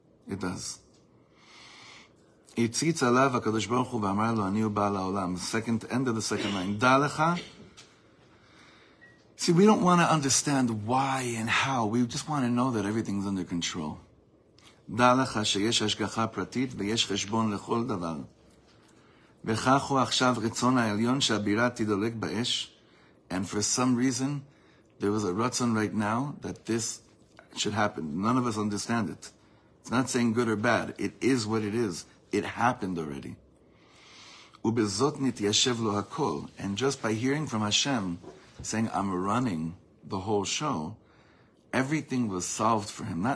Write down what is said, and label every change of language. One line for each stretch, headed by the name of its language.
English: It does.
Hebrew: Yitzitz alav HaKadosh Baruch Hu v'amar lo ani ba'al ha'olam.
English: Second, end of the second line. Dalecha. See, we don't want to understand why and how. We just want to know that everything's under control.
Hebrew: Dalecha sheyesh hashgacha pratit v'yesh cheshbon lechol davar. וכך הוא עכשיו רצון העליון שהבירה תדולק באש.
English: And for some reason, there was a רצון right now that this should happen. None of us understand it. It's not saying good or bad. It is what it is. It happened already.
Hebrew: ובזאת נתיישב לו הכל.
English: And just by hearing from Hashem, saying, I'm running the whole show, everything was solved for him.